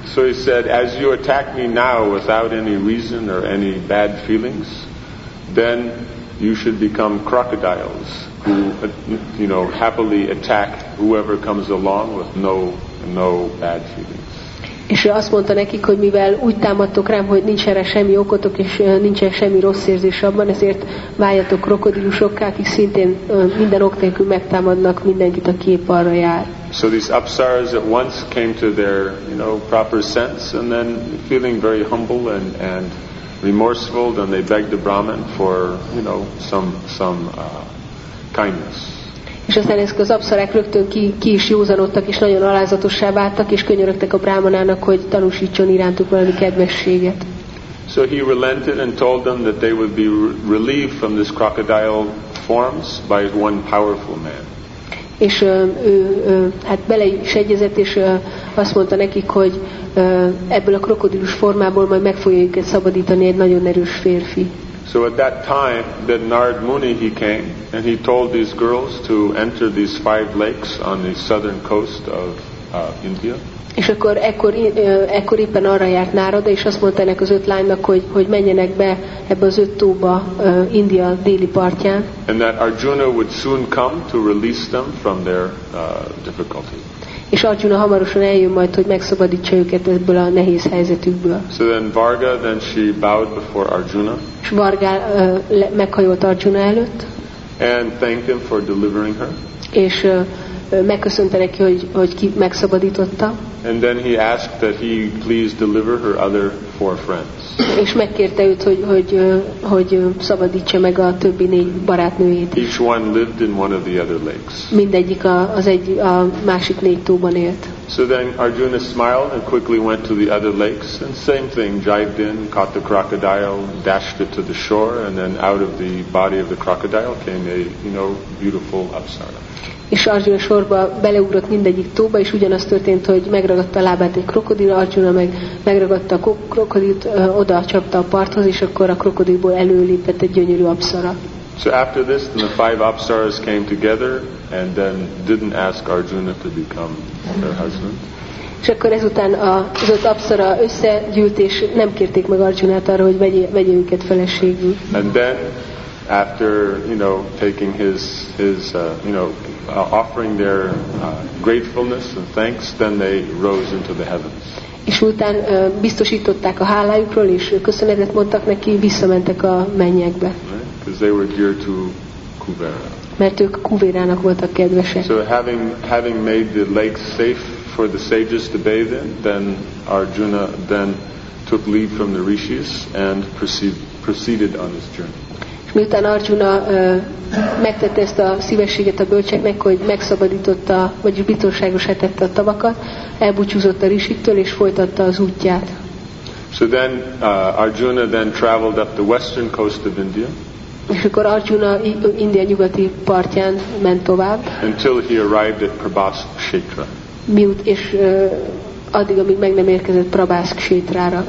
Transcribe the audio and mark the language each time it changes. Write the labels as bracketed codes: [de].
[en] So he said, "As you attack me now without any reason or any bad feelings, then you should become crocodiles who, happily attack whoever comes along with no bad feelings." [hu] És ő azt mondta nekik, hogy mivel úgy támadtok rám, hogy nincs erre semmi okotok, és nincsen semmi rossz érzés abban, ezért váljatok krokodilusokká, akik szintén minden ok nélkül megtámadnak mindenkit, aki épp arra jár. [en] So these apsaras at once came to their proper sense, and then feeling very humble and remorseful, then they begged the Brahman for some kindness. [hu] És aztán ezek az apszarák rögtön ki is józanodtak, és nagyon alázatossá váltak, és könyörögtek a brámanának, hogy tanúsítson irántuk valami kedvességet. [en] So he relented and told them that they would be relieved from this crocodile forms by one powerful man. [hu] És ő bele is egyezett, és azt mondta nekik, hogy ebből a krokodilus formából majd meg fogja őket szabadítani egy nagyon erős férfi. [en] So at that time, then Narad Muni, he came, and he told these girls to enter these five lakes on the southern coast of India. [hu] És akkor ekkor éppen arra járt Narada, és azt mondta ennek az öt lánynak, hogy menjenek be ebbe az öt tóba India déli partján. [en] And that Arjuna would soon come to release them from their difficulty. [hu] És Arjuna hamarosan eljön majd, hogy megszabadítsa őket ebből a nehéz helyzetükből. [en] So then Varga, then she bowed before Arjuna. [hu] És Varga meghajolt Arjuna előtt. [en] And thanked him for delivering her. [hu] És megköszönte neki, hogy ki megszabadította. [en] And then he asked that he please deliver her other four friends. [hu] És megkérte őt, hogy szabadítsa meg a többi négy barátnőjét. [en] Each one lived in one of the other lakes. [hu] Mindegyik a másik négy tóban élt. [en] So then Arjuna smiled and quickly went to the other lakes, and same thing, dived in, caught the crocodile, dashed it to the shore, and then out of the body of the crocodile came a beautiful apsara. [hu] És Arjuna sorba beleugrott mindegyik tóba, és ugyanaz történt, hogy megragadta a lábát egy krokodil, Arjuna meg megragadta a krokodilt, oda csapta a parthoz, és akkor a krokodilból előlépett egy gyönyörű apszara. [en] So after this, then the five apsaras came together and then didn't ask Arjuna to become their husband. [hu] És akkor ezután az öt apszara összegyűlt, és nem kérték meg Arjunát arra, hogy vegye őket feleségül. [en] And then, after, you know, taking his offering their gratefulness and thanks, then they rose into the heavens. [hu] És után biztosították a hálájukról, és köszönetet mondtak neki, visszamentek a mennyekbe. [en] Because they were dear to Kuvera. [hu] Mert ők Kuvérának voltak kedvesek. [en] So having made the lakes safe for the sages to bathe in, then Arjuna then took leave from the rishis and proceeded on his journey. [hu] És miután Arjuna megtette ezt a szívességet a bölcseknek, hogy megszabadította, vagyis biztonságosá tette a tavakat, elbúcsúzott a rishiktől és folytatta az útját. [en] So then Arjuna then traveled up the western coast of India. [hu] És akkor Arjuna India nyugati partján ment tovább. [en] Until he arrived at Prabhas Kshetra. [hu] És addig, amíg meg nem érkezett Prabhas Kshetrára.